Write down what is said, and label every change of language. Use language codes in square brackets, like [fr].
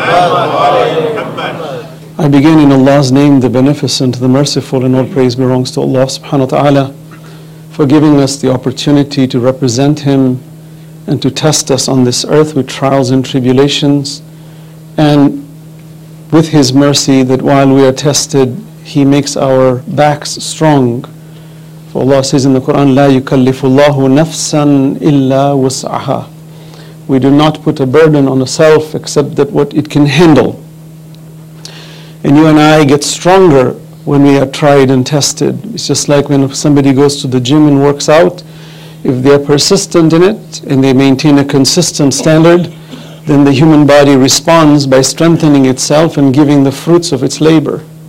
[en] I begin in Allah's name, the Beneficent, the Merciful, and all praise belongs to Allah subhanahu wa ta'ala for giving us the opportunity to represent Him and to test us on this earth with trials and tribulations. And with His mercy, that while we are tested, He makes our backs strong. For Allah says in the Quran, [ar] لا يكلف الله نفسا إلا وسعها. [en] We do not put a burden on a self except that what it can handle. And you and I get stronger when we are tried and tested. It's just like when somebody goes to the gym and works out. If they are persistent in it and they maintain a consistent standard, then the human body responds by strengthening itself and giving the fruits of its labor.